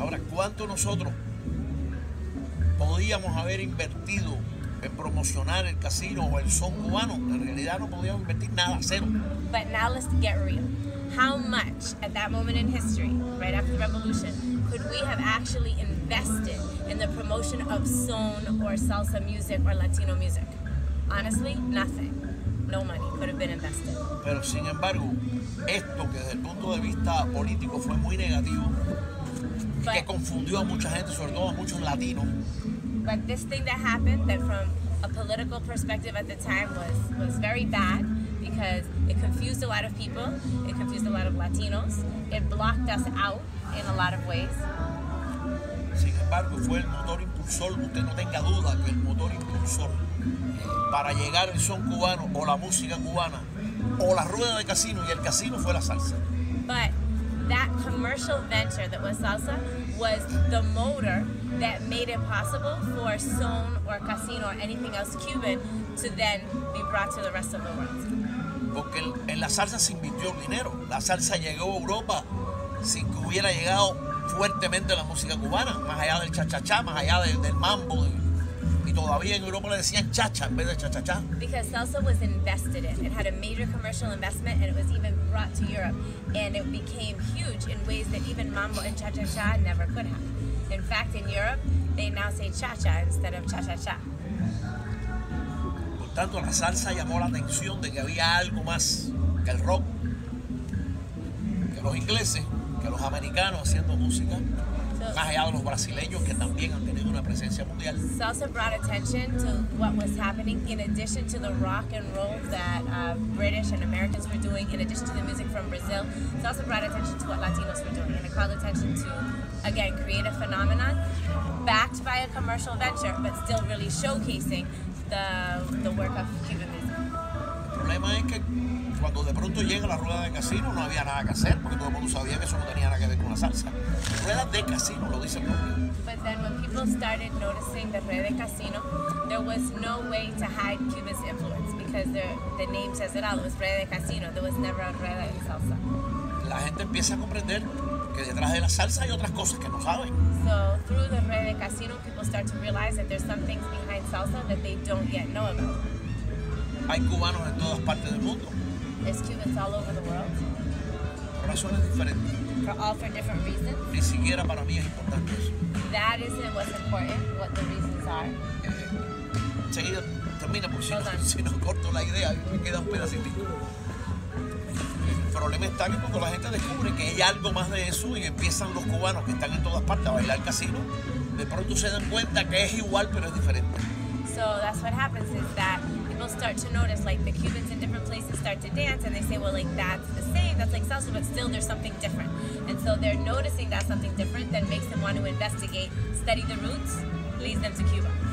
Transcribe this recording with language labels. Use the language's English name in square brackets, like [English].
[Spanish] Ahora, ¿cuánto nosotros podíamos haber invertido en promocionar el casino o el son cubano. En realidad no podíamos invertir nada, cero. [English] But now let's get real. How much at that moment in history, right after the revolution, could we have actually invested in the promotion of son or salsa music or Latino music? Honestly, nothing. No money could have been invested. [Spanish] Pero sin embargo, esto que desde el punto de vista político fue muy negativo, but, que confundió a mucha gente, sobre todo a muchos latinos. [English] But this thing that happened, that from a political perspective at the time was very bad, because it confused a lot of people, it confused a lot of Latinos, it blocked us out in a lot of ways. [Spanish] Sin embargo, fue el motor impulsor, usted no tenga duda que el motor impulsor para llegar el son cubano o la música cubana o la rueda de casino, y el casino fue la salsa. [English] But that commercial venture that was salsa was the motor that made it possible for son or casino or anything else Cuban to then be brought to the rest of the world. [Spanish] Porque en la salsa se invirtió dinero. La salsa llegó a Europa sin que hubiera llegado fuertemente la música cubana, más allá del cha-cha-cha, más allá del mambo. Y todavía en Europa le decían chacha en vez de cha-cha-cha. [English] Because salsa was invested in. It had a major commercial investment and it was even brought to Europe. And it became huge in ways that even mambo and cha-cha-cha never could have. In fact, in Europe, they now say cha-cha instead of cha-cha-cha. [Spanish] Por tanto, la salsa llamó la atención de que había algo más que el rock, que los ingleses, que los americanos haciendo música, so, más allá de los brasileños que también han tenido una presencia mundial. [English] Salsa brought attention to what was happening in addition to the rock and roll that British and Americans were doing, in addition to the music from Brazil. Salsa brought attention to what Latinos were doing, and it called attention to, again, create a phenomenon backed by a commercial venture, but still really showcasing the work of Cuban. [Spanish] El problema es que cuando de pronto llega la rueda de casino no había nada que hacer, porque todo el mundo sabía que eso no tenía nada que ver con la salsa. Rueda de casino, lo dice el nombre. [English] But then when people started noticing the rueda de casino, there was no way to hide Cuba's influence, because the name says it all. It was rueda de casino. There was never a rueda de salsa. [Spanish] La gente empieza a comprender que detrás de la salsa hay otras cosas que no saben. [English] So through the rueda de casino, people start to realize that there's some things behind salsa that they don't yet know about. [Spanish] Hay cubanos en todas partes del mundo. [English] There's Cubans all over the world. [Spanish] Por razones diferentes. [English] For all for different reasons. [Spanish] Ni siquiera para mí es importante eso. [English] That isn't what's important, what the reasons are. [Spanish] Seguida termina, porque si no corto la idea, me queda un pedacito. El problema está que cuando la gente descubre que hay algo más de eso y empiezan los cubanos que están en todas partes a bailar el casino, de pronto se dan cuenta que es igual pero es diferente. [English] So that's what happens, is that people start to notice, like the Cubans in different places start to dance and they say, well, like that's the same, that's like salsa, but still there's something different. And so they're noticing that something different that makes them want to investigate, study the roots, leads them to Cuba.